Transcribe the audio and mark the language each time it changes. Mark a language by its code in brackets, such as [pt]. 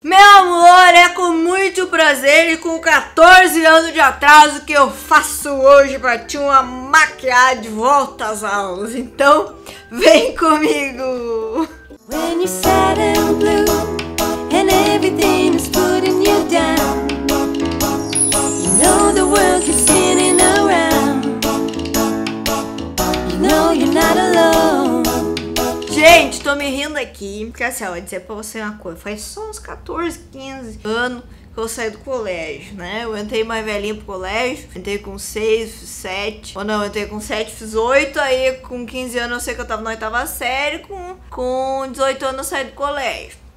[pt] Meu amor, é com muito prazer e com 14 anos de atraso que eu faço hoje pra te uma maquiar de volta às aulas. Então, vem comigo! [en] When you're sad and blue and everything is putting you down, you know the world keeps spinning around, you know you're not alone. [pt] Gente, tô me rindo aqui, porque assim, eu vou dizer pra você uma coisa, faz só uns 14, 15 anos que eu saí do colégio, né? Eu entrei mais velhinha pro colégio, entrei com 6, 7, ou não, entrei com 7, fiz 8, aí com 15 anos eu sei que eu tava na oitava série, com 18 anos eu saí do colégio.